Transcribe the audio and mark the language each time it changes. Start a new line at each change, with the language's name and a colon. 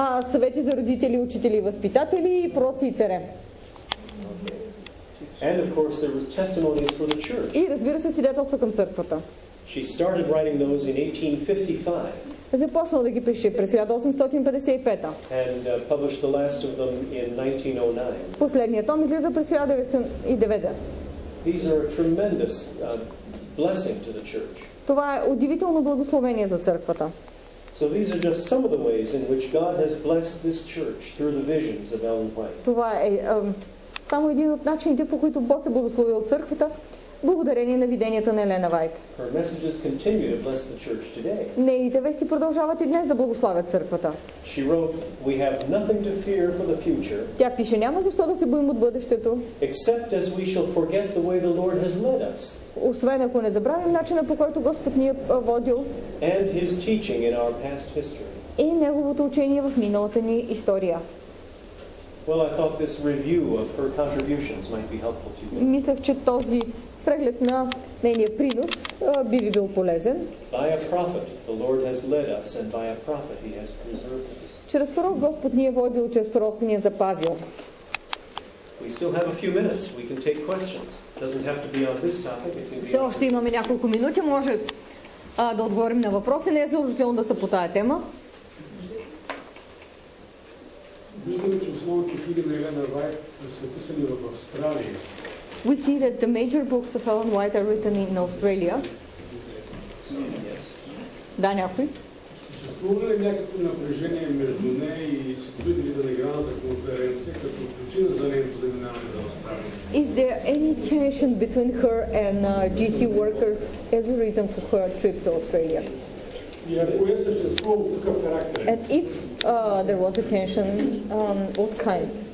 Bulgarian: Съвети за родители, учители, възпитатели, пророци и царе.
English: And of course there was testimonies for the church.
Bulgarian: И разбира се, свидетелство към църквата.
English: She started writing those in 1855.
Bulgarian: Започнала да ги пише през 1855.
English: And published the last of them in 1909.
Bulgarian: Последният том излиза през 1909.
English: These are a tremendous blessing to the church.
Bulgarian: Това е удивително благословение за църквата.
English: So these are just some of the ways in which God has blessed this church through the visions of Ellen White.
Bulgarian: Това е само един от начините, по които Бог е благословил църквата, благодарение на виденията на Елена Вайт.
English: Her messages continue to bless the church today.
Bulgarian: Нейните вести продължават и днес да благославят църквата.
English: She wrote, "We have nothing to fear for the future."
Bulgarian: Тя пише, няма защо да се боим от бъдещето.
English: Except as we shall forget the way the Lord has led us.
Bulgarian: Освен ако не забравим начина, по който Господ ни е водил.
English: And his teaching in our past history.
Bulgarian: И неговото учение в миналата ни история.
English: Well, I thought this review of her contributions might be helpful to you.
Bulgarian: Мислех, че този преглед на нейния принос би ви бил полезен.
English: By a prophet, the Lord has led us, and by a prophet he has preserved us.
Bulgarian: Чрез пророк Господ ни е водил, чрез пророк ни е запазил.
English: We still have a few minutes. We can take questions. Doesn't have to be on this topic. It can be.
Bulgarian: Все още имаме няколко минути, може да отговорим на въпроси, не е задължително да са по тая тема. Виждаме, че основните книги на Елена Вайт са писани в Австралия.
English: We see that the major books of Ellen White are written in Australia. Yes.
Bulgarian: Да, някой? Съществува ли някакво напрежение между нея и служителите на Регионалната конференция като причина за нейното заминаване за Австралия?
English: Is there any tension between her and GC workers as a reason for her trip to Australia?
Bulgarian: И ако е съществувало, какъв характер?
English: And if there was a tension, what kind?